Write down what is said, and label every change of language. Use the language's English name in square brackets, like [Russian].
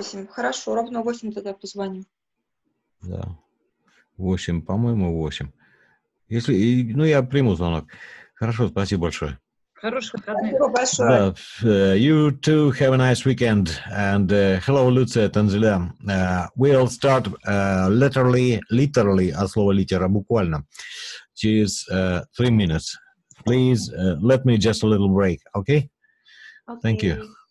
[Russian] Хорошо, ровно 8 тогда позвоню. Да. 8, по-моему, 8. Если, ну, я приму звонок. Хорошо, спасибо большое. Хороших выходных. [English] You too have a nice weekend. And hello, Люция, Танзеля. We'll start literally, [Russian] от слова литера, буквально. Через [English] 3 minutes. Please, let me just a little break, okay? Thank you.